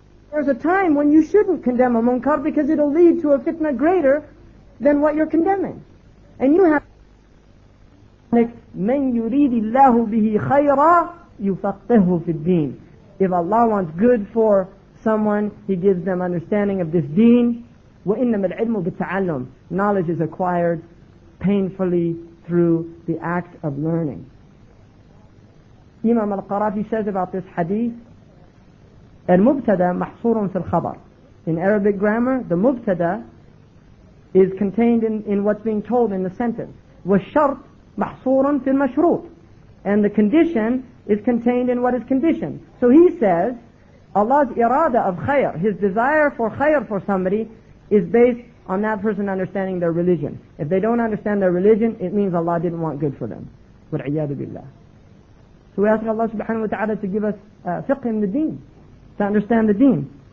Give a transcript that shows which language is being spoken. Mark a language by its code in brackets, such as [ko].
[en] There's a time when you shouldn't condemn a munkar because it'll lead to a fitna greater than what you're condemning. And you have like [ar] مَنْ يُرِيدِ اللَّهُ بِهِ خَيْرًا يُفَقِّهُ فِي الدِّينِ. [en] If Allah wants good for someone, He gives them understanding of this deen. [ar] وَإِنَّمَا الْعِلْمُ بِالتَّعَلُّمِ. [en] Knowledge is acquired painfully through the act of learning. Imam al-Qarafi says about this hadith, [ar] المبتدأ محصور في الخبر. [en] In Arabic grammar, the مبتدأ is contained in what's being told in the sentence. [ar] والشرط محصور في المشروط. [en] And the condition is contained in what is conditioned. So he says, Allah's irada of khayr, His desire for khayr for somebody, is based on that person understanding their religion. If they don't understand their religion, it means Allah didn't want good for them. [ar] وَالْعِيَادُ بِاللَّهِ. [en] So we ask Allah subhanahu wa ta'ala to give us fiqh in the deen, to understand the deen.